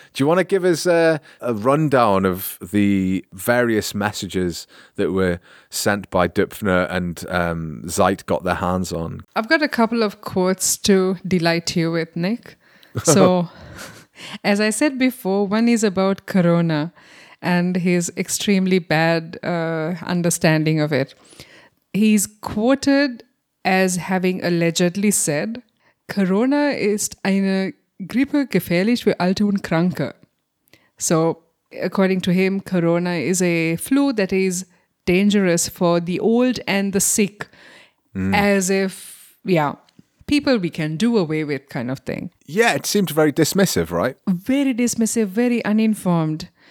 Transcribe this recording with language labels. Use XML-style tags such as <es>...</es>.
<en>Do you want to give us a rundown of the various messages that were sent by Döpfner and Zeit got their hands on? I've got a couple of quotes to delight you with, Nick. So, as I said before, one is about Corona and his extremely bad understanding of it. He's quoted as having allegedly said,</en> <de>Corona ist eine Grippe gefährlich für alte und kranke.</de> <en>So, according to him, Corona is a flu that is dangerous for the old and the sick. Mm. As if, people we can do away with, kind of thing. Yeah, it seemed very dismissive, right? Very dismissive, very uninformed.</en>